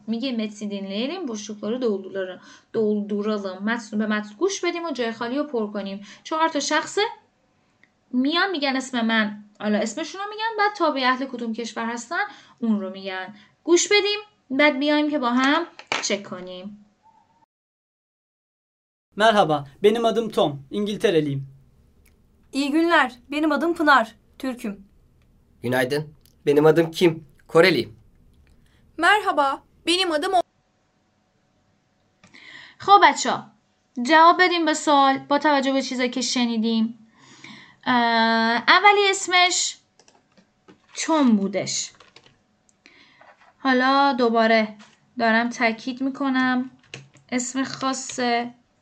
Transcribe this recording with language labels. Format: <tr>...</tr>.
<fa>میگه متنی دینلیلیم بوشتوکلارو دولدورالم. متنو به متن گوش بدیم و جای خالی رو پر کنیم. چهار تا شخص میان میگن اسم من. حالا اسمشون رو میگن. بعد تابعی اهل کدوم کشور هستن. اون رو میگن. گوش بدیم. بعد بیایم که با هم چک کنیم.</fa> <tr>Merhaba, benim adım Tom, İngiltereliyim. İyi günler, benim adım Pınar, Türk'üm. Günaydın, benim adım Kim, Koreliyim. Merhaba, benim adım</tr> <fa>خب بچه، جواب بدیم به سوال با توجه به چیزی که شنیدیم. اولی اسمش توم بودش. حالا دوباره دارم تاکید میکنم اسم خاصه.</fa>